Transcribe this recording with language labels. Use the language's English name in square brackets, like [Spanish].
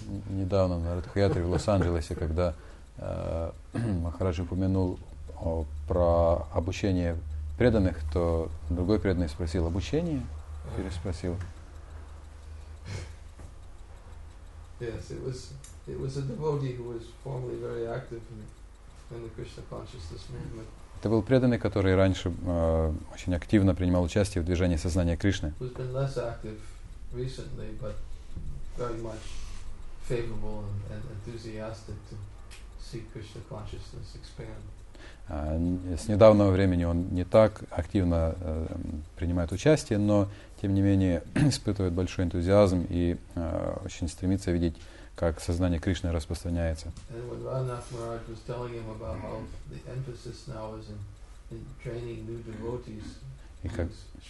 [Russian] Недавно на Радхаятре в Лос-Анджелесе, когда Махараджи упомянул про обучение преданных, то другой преданный спросил, обучение? Переспросил. [English] Yes, it was a devotee who was formerly very active in the Krishna consciousness movement. [Russian] Это был преданный, который раньше очень активно принимал участие в движении сознания Кришны. [English] Who's been less active recently, but very much favorable and enthusiastic to see Krishna consciousness expand. [Russian] С недавнего времени он не так активно принимает участие, но, тем не менее, испытывает большой энтузиазм и очень стремится видеть, как сознание Кришны распространяется. [English] And when Radhanath Maharaj was telling him about how the emphasis now is in training new devotees,